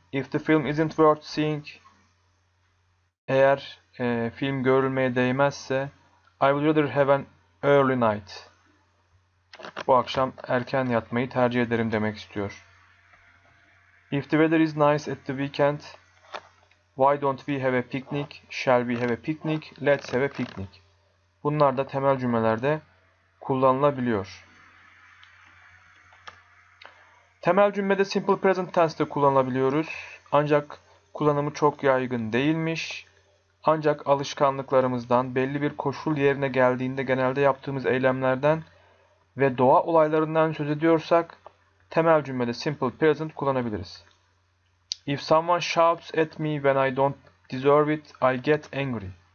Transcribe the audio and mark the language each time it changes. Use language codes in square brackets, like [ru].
[en] If the film isn't worth seeing, [tr] eğer film görülmeye değmezse, [en] I would rather have an early night. [tr] Bu akşam erken yatmayı tercih ederim demek istiyor. [en] If the weather is nice at the weekend, why don't we have a picnic? Shall we have a picnic? Let's have a picnic. [tr] Bunlar da temel cümlelerde kullanılabiliyor. Temel cümlede simple present tense de kullanabiliyoruz. Ancak kullanımı çok yaygın değilmiş. Ancak alışkanlıklarımızdan, belli bir koşul yerine geldiğinde genelde yaptığımız eylemlerden ve doğa olaylarından söz ediyorsak, temel cümlede simple present kullanabiliriz. [en] If someone shouts at me when I don't deserve it, I get angry.